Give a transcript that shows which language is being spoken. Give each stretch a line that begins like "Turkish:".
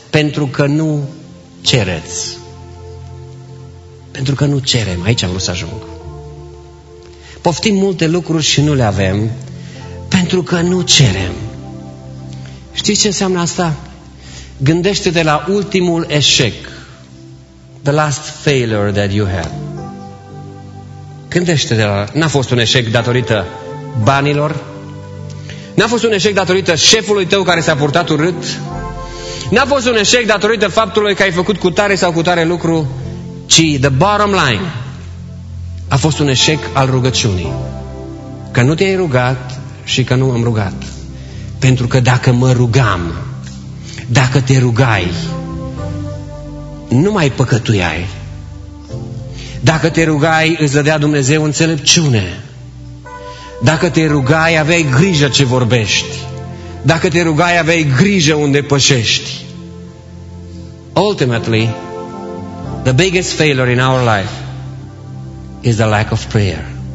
Romanian: Pentru că nu cereți. Pentru că nu cerem. Aici am vrut să ajung. Poftim multe lucruri și nu le avem. Pentru că nu cerem. Știți ce înseamnă asta? Gândește-te la ultimul eșec.
English: the last failure that you had.
Romanian: Gândește de la... N-a fost un eșec datorită banilor? N-a fost un eșec datorită șefului tău care s-a purtat urât? N-a fost un eșec datorită faptului că ai făcut cu tare sau cu tare lucru? Ci,
English: the bottom line,
Romanian: a fost un eșec al rugăciunii. Că nu te-ai rugat și că nu am rugat. Pentru că dacă mă rugam, dacă te rugai, nu mai păcătuiai. Dacă te rugai, îți dădea Dumnezeu înțelepciune. Dacă te rugai, aveai grijă ce vorbești. Dacă te rugai, aveai grijă unde pășești.
English: Ultimately, the biggest failure in our life is the lack of prayer.